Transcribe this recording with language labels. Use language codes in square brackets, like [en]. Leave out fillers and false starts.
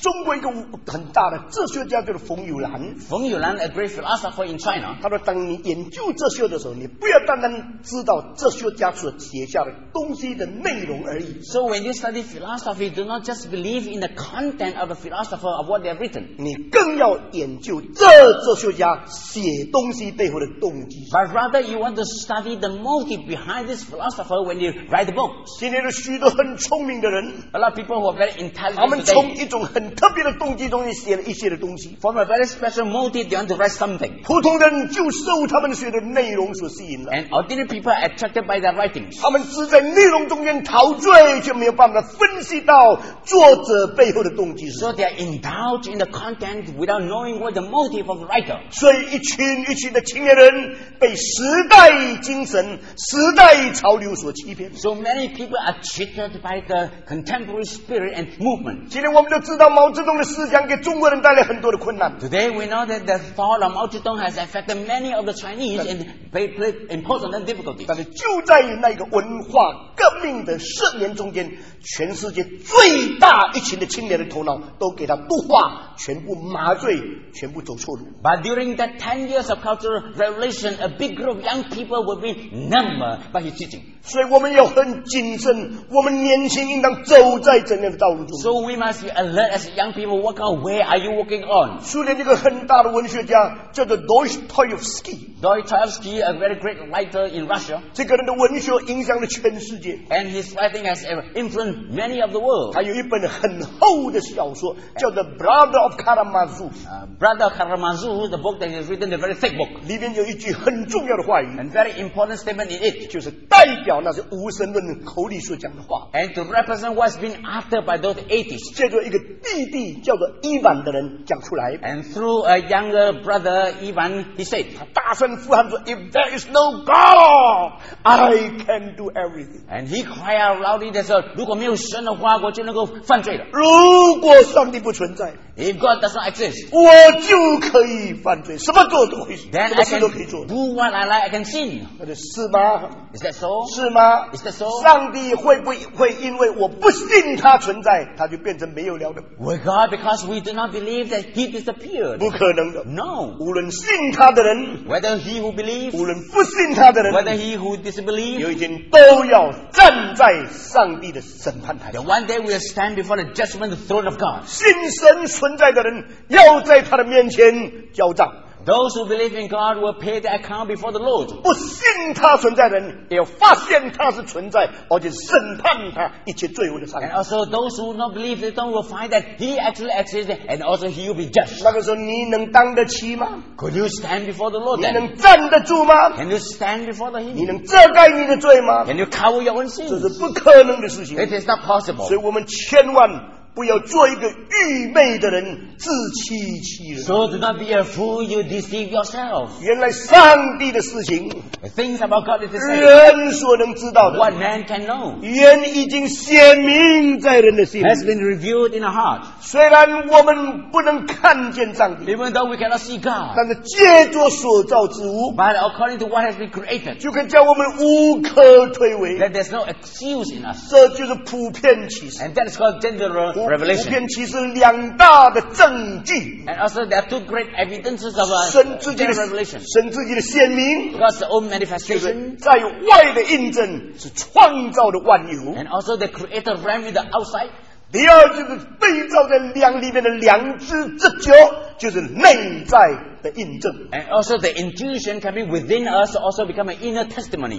[zh] 中国一个很大的哲学家就是冯友兰。 [en] 冯友兰 a great philosopher in China. [zh] 他说，当你研究哲学的时候，你不要单单知道哲学家所写下的东西的内容而已。 [en] So when you study philosophy, do not just believe in the content of the philosopher of what they have written. [zh] 你更要研究这哲学家写东西背后的动机。 [en] But rather you want to study the motive behind this philosopher when you write the book. [zh] 今天的许多很聪明的人， [en] a lot of people who are very intelligent, [zh] 他们从一种很特别的动机中写了一些的东西。 [en] From a very special motive, they want to write something. [zh] 普通人就受他们写的内容所吸引了。 [en] And ordinary people are attracted by their writings. [zh] 他们只在内容中间陶醉，却没有办法分析到作者背后的动机是什么。 [en] So they are indulged in the content. Without knowing what the motive of the writer. [zh] 所以一群一群的青年人被时代精神、时代潮流所欺骗。 [en] So many people are cheated by the contemporary spirit and movement. [zh] 今天我们都知道毛泽东的思想给中国人带来很多的困难。 [en] Today we know that the thought of Mao Zedong has affected many of the Chinese and imposed on them difficulties. [zh] 但是就在那个文化革命的盛年中间，全世界最大一群的青年的头脑都给他固化，全部。麻醉，全部走错路。 [en] But during that 10 years of cultural revolution, a big group of young people will be numbed by his teaching. [zh] 所以我们要很谨慎，我们年轻应当走在怎样的道路中。 [en] So we must be alert as young people. What kind of way are you walking on? [zh] 苏联一个很大的文学家叫做 Dostoevsky。 [en] Dostoevsky, a very great writer in Russia. [zh] 这个人的文学影响了全世界。 [en] And his writing has influenced many of the world. [zh] 他有一本很厚的小说叫做 Brother of Karamazov。 [en] Brother Karamazov, the book that he has written, a very thick book. [zh] 里面有一句很重要的话语 [en] ，a very important statement in it, [zh] 就是代表那些无神论口里所讲的话。 [en] And to represent what's been uttered by those atheists, [zh] 借着一个弟弟叫做伊万的人讲出来。 [en] And through a younger brother Ivan, he said, [zh] 他大声呼喊说 [en] ，If there is no God, I can do everything. And he cried out loudly that [zh] 说，如果没有神的话，我就能够犯罪了。如果上帝不存在。 [en] If God does not exist, [zh] 我就可以犯罪，什么做都可以，什么事都可以做。 [en] Do what I like, I can sin. [zh] 是吗？ [en] Is that so? [zh] 是吗？ [en] Is that so? [zh] 上帝会不会因为我不信他存在，他就变成没有了的？ [en] Will God, because we do not believe that he disappeared? [zh] 不可能的。 [en] No. [zh] 无论信他的人， [en] whether he who believes, [zh] 无论不信他的人， [en] whether he who disbelieves, [zh] 有一天都要站在上帝的审判台上。 [en] The one day we will stand before the judgment throne of God. [zh] 信神存在的人要在他的面前交账。 [en] Those who believe in God will pay the account before the Lord. [zh] 不信他存在的人也要发现他是存在，而且审判他一切罪恶的上帝。 [en] And also those who not believe they don't will find that he actually exists and also he will be judged. [zh] 那个时候你能当得起吗？ [en] Could you stand before the Lord then? [zh] 你能站得住吗？ [en] Can you stand before the him? [zh] 你能遮盖你的罪吗？ [en] Can you cover your own sins? [zh] 这是不可能的事情。 [en] It is not possible. [zh] 所以我们千万不要做一个愚昧的人，自欺欺人。 [en] So do not be a fool, you deceive yourself. [zh] 原来上帝的事情 [en] ，things about God is the same. [zh] 人所能知道的 [en] ，what man can know. [zh] 原已经显明在人的心里 [en] ，has been revealed in the heart. [zh] 虽然我们不能看见上帝 [en] ，even though we cannot see God. [zh] 但是借着所造之物 [en] ，but according to what has been created, [zh] 就可以叫我们无可推诿 [en] ，that there's no excuse in us. [zh] 这就是普遍启示 [en] ，and that is called general. Revelation. [zh] 普遍其实两大的证据 [en] ，and also there are two great evidences of a revelation. [zh] 神自己的显明 [en] ，God's own manifestation. [zh] 在外的印证是创造的万有 [en] ，and also the creator ran with the outside. [zh] 第二就是被造在两里面的良知之酒，就是内在。 [en] The intuition and also the intuition coming within us also become an inner testimony.